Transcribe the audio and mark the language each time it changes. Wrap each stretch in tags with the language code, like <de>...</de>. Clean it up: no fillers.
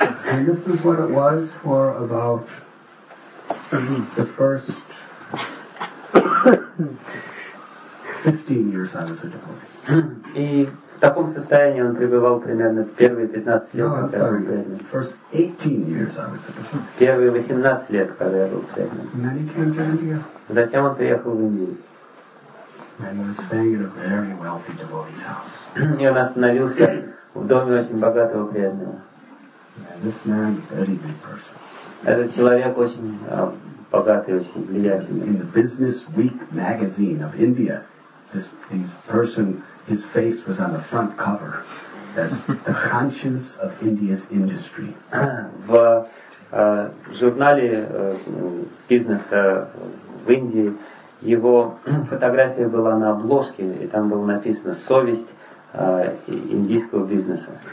<en>And this is what it was for about the first 15 years I was a devotee.</en> <ru>И в таком состоянии он пребывал примерно первые 15 лет.</ru> <en>No, I'm sorry. First 18 years I was a devotee.</en> <ru>Первые 18 лет, когда я был преданным.</ru> <en>And then he came to India.</en> <ru>Затем он приехал в Индию.</ru> <en>And he was staying in a very wealthy devotee's house.</en> <ru>И он остановился в доме очень богатого преданного.</ru> <en>This man, very big person.</en> <ru>Этот человек очень богатый, очень влиятельный.</ru> <en>In the Business Week magazine of India, this person, his face was on the front cover as the conscience of India's industry.</en> <ru>В журнале бизнеса в Индии его фотография была на обложке, и там было написано «Совесть». Индийского бизнеса.</ru>